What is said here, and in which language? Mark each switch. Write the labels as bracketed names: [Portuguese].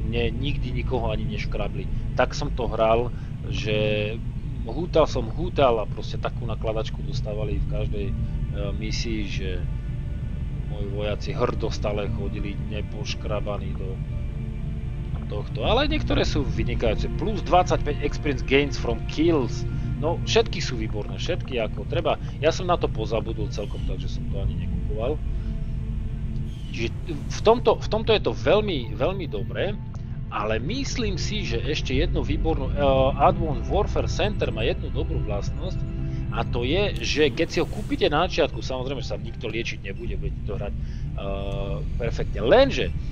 [Slovak] Mne nikdy nikoho ani neškrabli. Tak som to hral, že hútal a proste takú nakladačku dostávali v každej misii, že moji vojaci hrdo stále chodili nepoškrabaní do tohto. Ale niektoré sú vynikajúce. [English] Plus 25 experience gains from kills. [Slovak] No všetky sú výborné, všetky ako treba. Ja som na to pozabudol celkom, takže som to ani nekupoval. Čiže v tomto je to veľmi, veľmi dobré, ale myslím si, že ešte jednu výbornú Advanced Warfare Center má jednu dobrú vlastnosť, a to je, že keď si ho kúpite na začiatku, samozrejme, že sa nikto liečiť nebude, budete to hrať perfektne, lenže